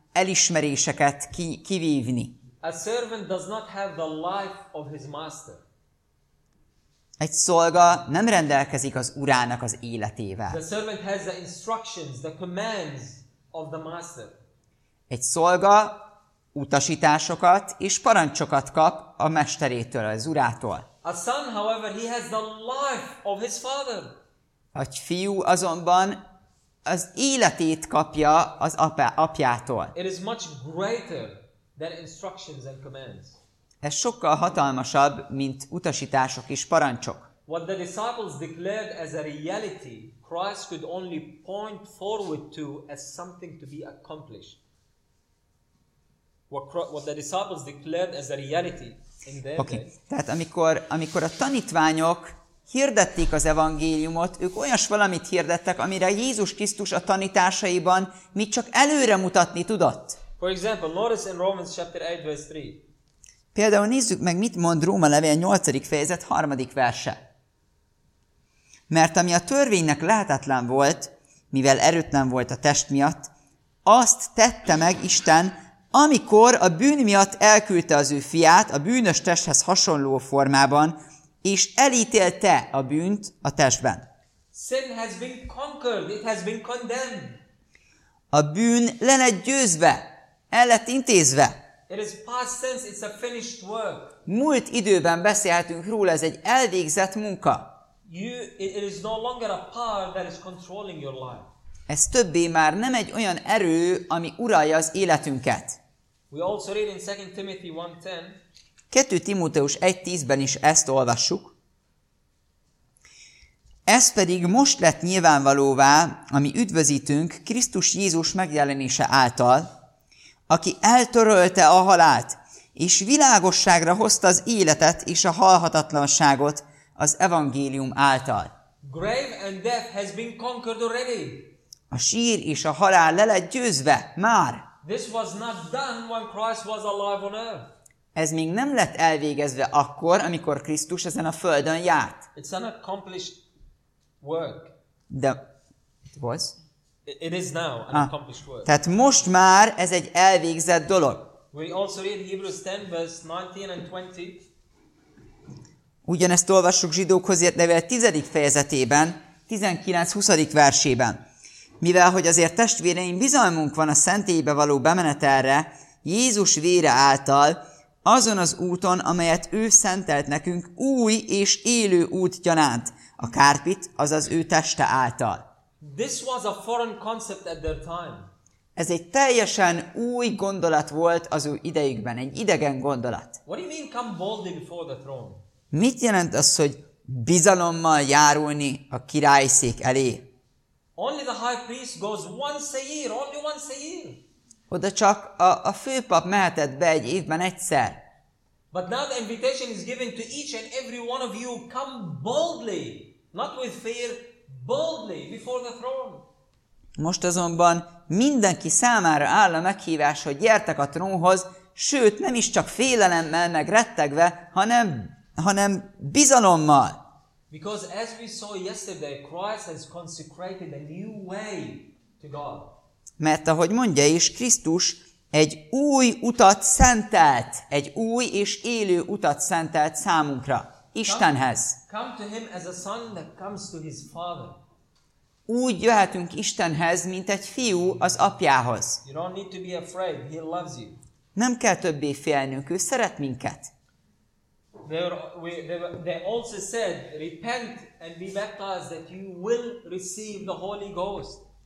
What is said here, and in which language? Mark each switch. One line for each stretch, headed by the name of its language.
Hungarian: elismeréseket kivívni.
English: A servant does not have the life of his master.
Hungarian: Egy szolga nem rendelkezik az urának az életével.
English: The servant has the instructions, the commands of the master.
Hungarian: Egy szolga utasításokat és parancsokat kap a mesterétől, az urától.
English: A son, however, he has the life of his father.
Hungarian: A fiú azonban az életét kapja az apjától.
English: It is much greater than instructions and commands.
Hungarian: Ez sokkal hatalmasabb, mint utasítások és parancsok.
English: What the disciples declared as a reality, Christ could only point forward to as something to be accomplished. What the disciples declared as a reality in their day. Okay.
Hungarian: Tehát amikor a tanítványok hirdették az evangéliumot, ők olyas valamit hirdettek, amire Jézus Krisztus a tanításaiban még csak előre mutatni tudott.
English: For example, notice in Romans chapter 8 verse 3.
Hungarian: Például nézzük meg, mit mond Róma levél 8. fejezet 3. verse. Mert ami a törvénynek lehetetlen volt, mivel erőtlen volt a test miatt, azt tette meg Isten, amikor a bűn miatt elküldte az ő fiát a bűnös testhez hasonló formában, és elítélte a bűnt a testben.
English: Sin has been conquered, it has been condemned.
Hungarian: A bűn le lett győzve, el lett intézve.
English: It is past tense, it's a finished work.
Hungarian: Múlt időben beszélhetünk róla, ez egy elvégzett munka.
English: It is no longer a power that is controlling your life.
Hungarian: Ez többé már nem egy olyan erő, ami uralja az életünket.
English: We also read in 2 Timothy 1:10.
Hungarian: 2 Timóteus 1:10-ben is ezt olvassuk. Ez pedig most lett nyilvánvalóvá, ami üdvözítünk Krisztus Jézus megjelenése által, aki eltörölte a halált, és világosságra hozta az életet és a halhatatlanságot az evangélium által.
English: Grave and death has been conquered already.
Hungarian: A sír és a halál le lett győzve, már.
English: This was not done when Christ was alive on earth.
Hungarian: Ez még nem lett elvégezve akkor, amikor Krisztus ezen a földön járt.
English: It's an accomplished work. De, it was? It is now an accomplished work.
Hungarian: Tehát most már ez egy elvégzett dolog.
English: We also read Hebrews 10, verse 19 and 20.
Hungarian: Ugyanezt olvassuk Zsidókhoz írt levél 10. fejezetében, 19-20. versében. Mivel hogy azért testvéreim bizalmunk van a szentélybe való bemenetelre, Jézus vére által, azon az úton, amelyet ő szentelt nekünk új és élő út gyanánt, a kárpit, azaz ő teste által.
English: This was a foreign concept at their time.
Hungarian: Ez egy teljesen új gondolat volt az ő idejükben, egy idegen gondolat.
English: What do you mean come boldly before the throne?
Hungarian: Mit jelent az, hogy bizalommal járulni a királyszék elé?
English: Only the high priest goes once a year, only once a year.
Hungarian: Oda csak a főpap mehetett be egy évben egyszer.
English: But now the invitation is given to each and every one of you, come boldly, not with fear, boldly before the throne.
Hungarian: Most azonban mindenki számára áll a meghívás, hogy gyertek a trónhoz, sőt nem is csak félelemmel meg rettegve, hanem bizalommal.
English: Because as we saw yesterday, Christ has consecrated a new way to God.
Hungarian: Mert ahogy mondja is, Krisztus egy új utat szentelt, egy új és élő utat szentelt számunkra, Istenhez.
English: Come to him as a son that comes to his father.
Hungarian: Úgy jöhetünk Istenhez, mint egy fiú az apjához.
English: You don't need to be afraid, he loves you.
Hungarian: Nem kell többé félnünk, ő szeret minket.
English: They also said, repent and be baptized that you will receive the Holy Ghost.